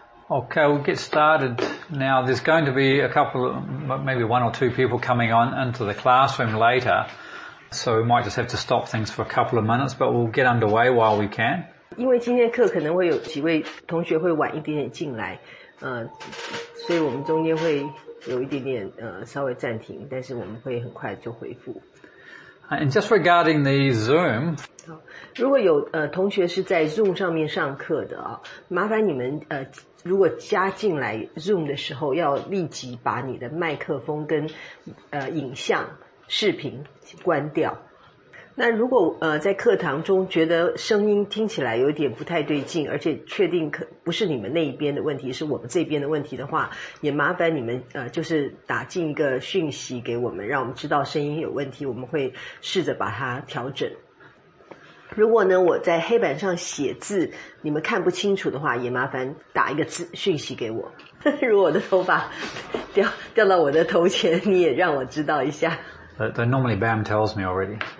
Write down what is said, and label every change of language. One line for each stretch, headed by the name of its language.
English: Okay, we'll get started now. There's going to be a couple of, maybe one or two people coming on into the classroom later, so we might just have to stop things for a couple of minutes, but we'll get underway while we can.
Chinese: 因为今天课可能会有几位同学会晚一点点进来，所以我们中间会有一点点稍微暂停，但是我们会很快就回复。
English: And just regarding the Zoom,
Chinese: 如果有同学是在 Zoom 上面上课的啊，麻烦你们如果加进来 Zoom 的时候，要立即把你的麦克风跟影像视频关掉。那如果在课堂中觉得声音听起来有点不太对劲，而且确定不是你们那一边的问题，是我们这边的问题的话，也麻烦你们就是打进一个讯息给我们，让我们知道声音有问题，我们会试着把它调整。如果呢我在黑板上写字你们看不清楚的话，也麻烦打一个字讯息给我。如果我的头发掉到我的头前，你也让我知道一下。
English: Though normally Bam tells me already.